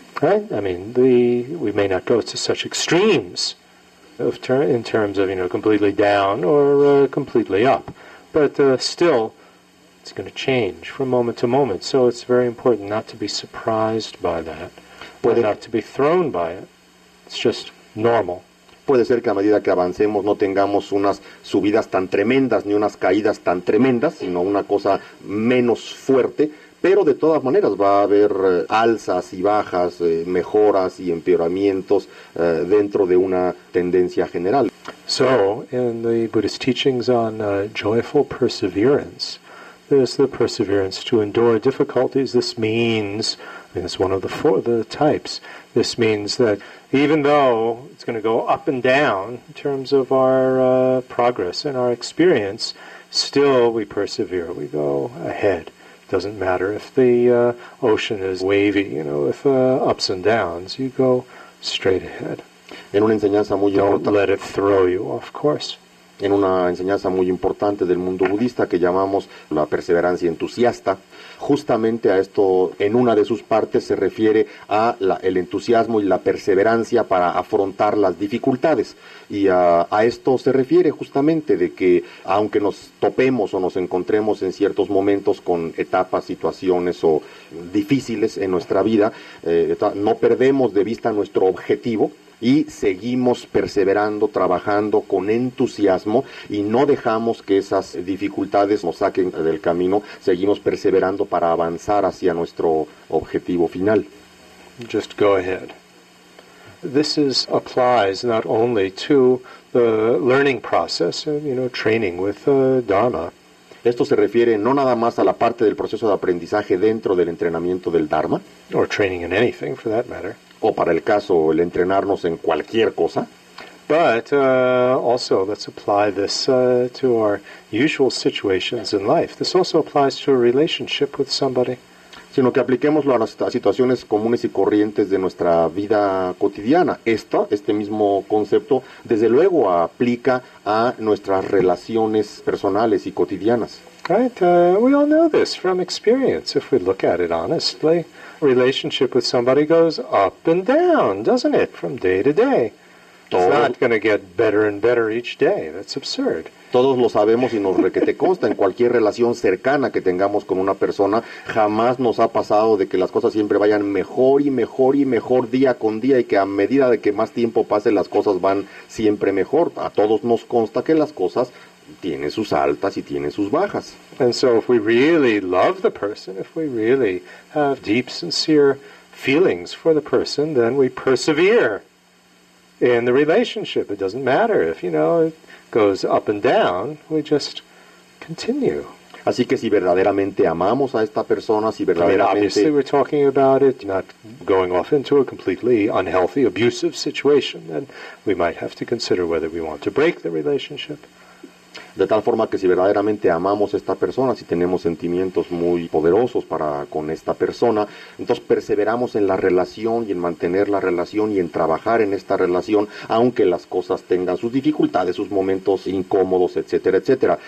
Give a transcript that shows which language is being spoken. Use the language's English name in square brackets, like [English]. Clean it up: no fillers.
[English] Right? I mean, we may not go to such extremes in terms of, you know, completely down or completely up, but still. It's going to change from moment to moment, so it's very important not to be surprised by that, not to be thrown by it. It's just normal. [Spanish] Puede ser que a medida que avancemos no tengamos unas subidas tan tremendas ni unas caídas tan tremendas, sino una cosa menos fuerte, pero de todas maneras va a haber alzas y bajas, mejoras y empeoramientos dentro de una tendencia general. [English] So, in the Buddhist teachings on joyful perseverance, there's the perseverance to endure difficulties. This means, and it's one of the types, this means that even though it's going to go up and down in terms of our progress and our experience, still we persevere, we go ahead. It doesn't matter if the ocean is wavy, you know, with ups and downs, you go straight ahead. [Spanish] En una enseñanza muy [English] don't let it throw you off course. [Spanish] En una enseñanza muy importante del mundo budista que llamamos la perseverancia entusiasta, justamente a esto, en una de sus partes, se refiere a el entusiasmo y la perseverancia para afrontar las dificultades. Y a esto se refiere justamente, de que aunque nos topemos o nos encontremos en ciertos momentos con etapas, situaciones o difíciles en nuestra vida, no perdemos de vista nuestro objetivo, y seguimos perseverando, trabajando con entusiasmo, y no dejamos que esas dificultades nos saquen del camino, seguimos perseverando para avanzar hacia nuestro objetivo final. [English] Just go ahead. This applies not only to the learning process, you know, training with Dharma. [Spanish] Esto se refiere no nada más a la parte del proceso de aprendizaje dentro del entrenamiento del Dharma. [English] Or training in anything, for that matter. [Spanish] O para el caso, el entrenarnos en cualquier cosa. [English] But also, let's apply this to our usual situations in life. This also applies to a relationship with somebody. [Spanish] Sino que apliquémoslo a las situaciones comunes y corrientes de nuestra vida cotidiana. Este mismo concepto, desde luego, aplica a nuestras relaciones personales y cotidianas. [English] right? We all know this from experience. If we look at it honestly, relationship with somebody goes up and down, doesn't it, from day to day? It's not going to get better and better each day. That's absurd. [Spanish] Todos lo sabemos y nos requete consta. En cualquier relación cercana que tengamos con una persona, jamás nos ha pasado de que las cosas siempre vayan mejor y mejor y mejor día con día, y que a medida de que más tiempo pase, las cosas van siempre mejor. A todos nos consta que las cosas tienen sus altas y tienen sus bajas. [English] And so if we really love the person, if we really have deep, sincere feelings for the person, then we persevere in the relationship. It doesn't matter if, you know, it goes up and down, we just continue. [Spanish] Así que si verdaderamente amamos a esta persona, si verdaderamente... [English] Obviously we're talking about it, not going off into a completely unhealthy, abusive situation, then we might have to consider whether we want to break the relationship. [Spanish] De tal forma que si verdaderamente amamos a esta persona, si tenemos sentimientos muy poderosos para con esta persona, entonces perseveramos en la relación y en mantener la relación y en trabajar en esta relación, aunque las cosas tengan sus dificultades, sus momentos incómodos, etcétera, etcétera.